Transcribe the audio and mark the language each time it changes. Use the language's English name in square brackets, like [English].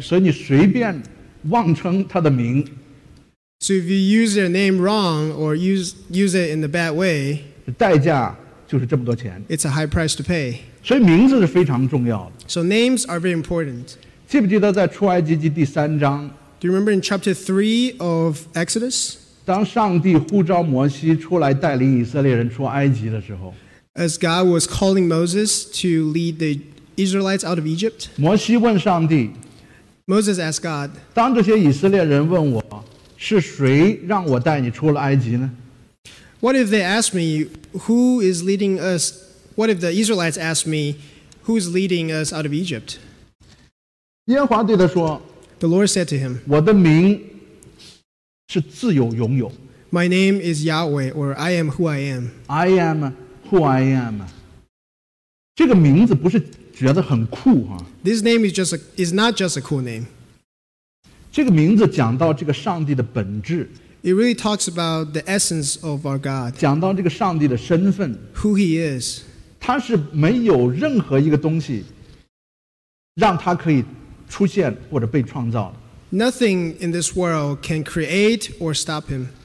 [Chinese] 所以你随便妄称他的名。 [English] So if you use their name wrong or use it in a bad way, [Chinese] 代价就是这么多钱。 [English] It's a high price to pay. [Chinese] 所以名字是非常重要的。 [English] So names are very important. [Chinese] 记不记得在出埃及记第三章？ [English] Do you remember in chapter 3 of Exodus? [Chinese] 当上帝呼召摩西出来带领以色列人出埃及的时候， [English] As God was calling Moses to lead the Israelites out of Egypt, [Chinese] 摩西问上帝， [English] Moses asked God, [Chinese] 当这些以色列人问我， 是谁让我带你出了埃及呢？ [English] What if they ask me, who is leading us? What if the Israelites ask me, who is leading us out of Egypt? [Chinese] 耶和华对他说， [English] The Lord said to him, [Chinese] 我的名是自有永有。 [English] My name is Yahweh, or I am who I am. I am who I am. [Chinese] 这个名字不是觉得很酷啊。 [English] This name is just a, is not just a cool name. [Chinese] 这个名字讲到这个上帝的本质。 [English] It really talks about the essence of our God. [Chinese] 讲到这个上帝的身份。 [English] Who he is. [Chinese] 他是没有任何一个东西让他可以 [English] Nothing in this world can create or stop him.